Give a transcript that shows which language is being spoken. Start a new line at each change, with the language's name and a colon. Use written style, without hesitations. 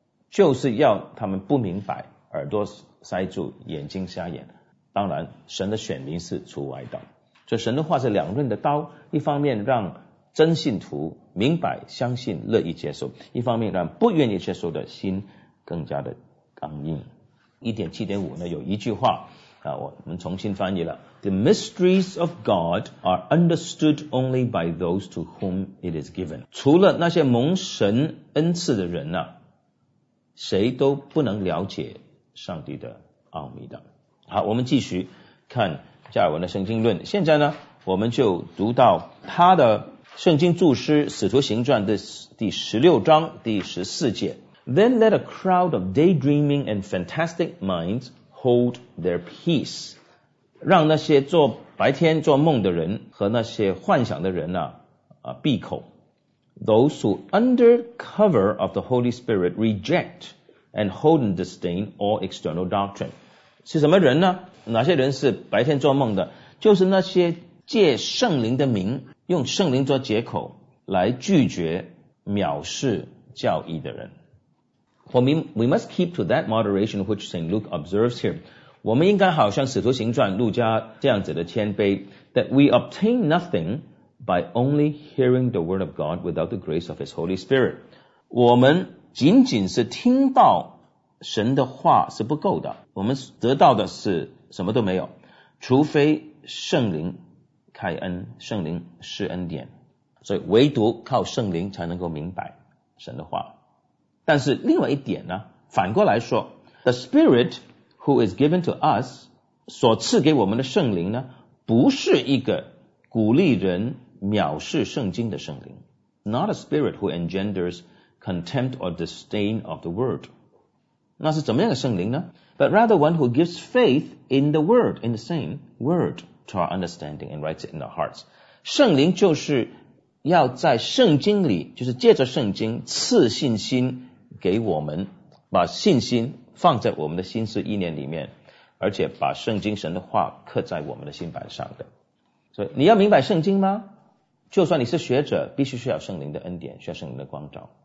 Chinese: 就是要他们不明白，耳朵塞住，眼睛瞎眼。当然神的选民是除外的，所以神的话是两刃的刀，一方面让真信徒明白相信乐意接受，一方面让不愿意接受的心更加的刚硬。
English: 1.7.5 呢，
Chinese: 有一句话我们重新翻译了，
English: The mysteries of God are understood only by those to whom it is given.
Chinese: 除了那些蒙神恩赐的人呢，谁都不能了解上帝的奥秘的。好，我们继续看加尔文的圣经论。现在呢，我们就读到他的圣经注释《使徒行传》的第16章第14节。
English: Then let a crowd of daydreaming and fantastic minds hold their peace.
Chinese: 让那些做白天做梦的人和那些幻想的人闭口。
English: Those who under cover of the Holy Spirit reject and hold in disdain all external doctrine.
Chinese: 是什么人呢？哪些人是白天做梦的？就是那些借圣灵的名，用圣灵做借口来拒绝藐视教义的人。
English: We must keep to that moderation which St. Luke observes here.
Chinese: 我们应该好像使徒行传路加这样子的谦卑，
English: that we obtain nothing by only hearing the word of God without the grace of his Holy Spirit.
Chinese: 我们仅仅是听到神的话是不够的，我们得到的是什么都没有，除非圣灵开恩，圣灵施恩典，所以唯独靠圣灵才能够明白神的话。但是另外一点呢，反过来说，
English: The Spirit who is given to us,
Chinese: 所赐给我们的圣灵呢，不是一个鼓励人藐视圣经的圣灵。
English: Not a spirit who engenders contempt or disdain of the word.
Chinese: 那是怎么样的圣灵呢？
English: But rather one who gives faith in the word, in the same word. to our understanding and writes it in our hearts.
Chinese: 圣灵就是要在圣经里，就是借着圣经赐信心给我们，把信心放在我们的心思意念里面，而且把圣经神的话刻在我们的心板上的。所以你要明白圣经吗？就算你是学者，必须需要圣灵的恩典，需要圣灵的光照。